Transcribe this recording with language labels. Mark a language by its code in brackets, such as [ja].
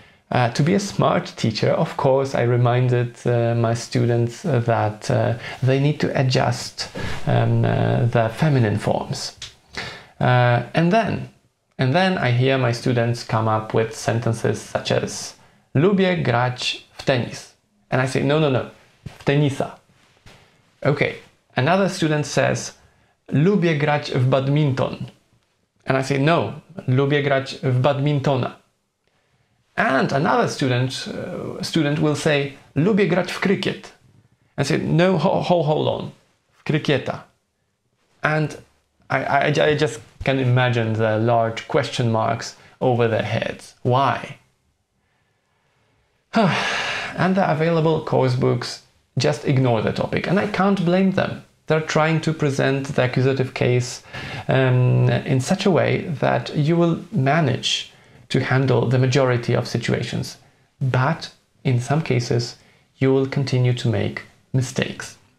[en] To be a smart teacher, of course, I reminded my students that they need to adjust the feminine forms. And then I hear my students come up with sentences such as [pl] lubię grać w tenis. [en] And I say, no, [pl] w tenisa. [en] Okay, another student says [pl] lubię grać w badminton. [en] And I say, no, [pl] lubię grać w badmintona. [en] And another student will say, [pl] lubię grać w krykiet. [en] And say, no, hold on, [pl] w krykieta. [en] And I just can imagine the large question marks over their heads. Why? And the available course books just ignore the topic. And I can't blame them. They're trying to present the accusative case in such a way that you will manage to handle the majority of situations, but in some cases you will continue to make mistakes.